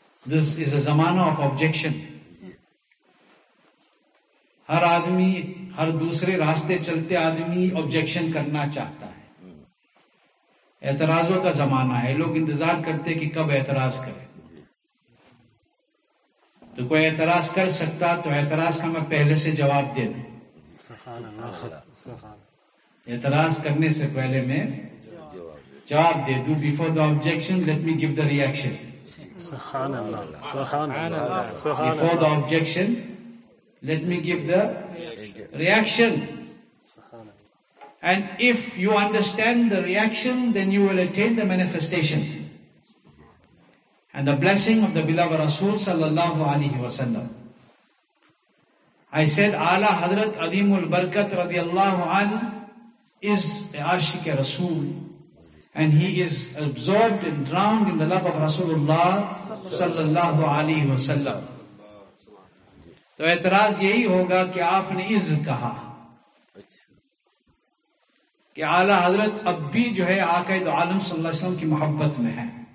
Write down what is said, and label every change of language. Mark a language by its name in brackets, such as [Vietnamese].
[English] this is a [Urdu] زمانہ of objection ہر آدمی ہر دوسرے راستے چلتے آدمی objection کرنا چاہتا ہے اعتراضوں کا زمانہ ہے لوگ انتظار کرتے کہ کب اعتراض کرے تو کوئی اعتراض کر سکتا تو اعتراض کا میں پہلے سے جواب دے دوں [Arabic] سبحان اللہ [Urdu] اعتراض کرنے سے پہلے میں جواب دے دوں [English] before the objection let me give the reaction [Arabic] سبحان اللہ [English] before the objection let me give the reaction And if you understand the reaction, then you will attain the manifestation. and the blessing of the beloved Rasul sallallahu alayhi wa sallam. I said, Ala Hadrat Adimul Barkat radiallahu anhu is the Ashik Rasul, and he is absorbed and drowned in the love of Rasulullah sallallahu alayhi wa sallam. [Urdu] So, اعتراض یہی ہوگا کہ آپ نے عز کہا کہ اعلی حضرت اب بھی جو ہے آقا دو عالم صلی اللہ علیہ وسلم کی محبت میں ہیں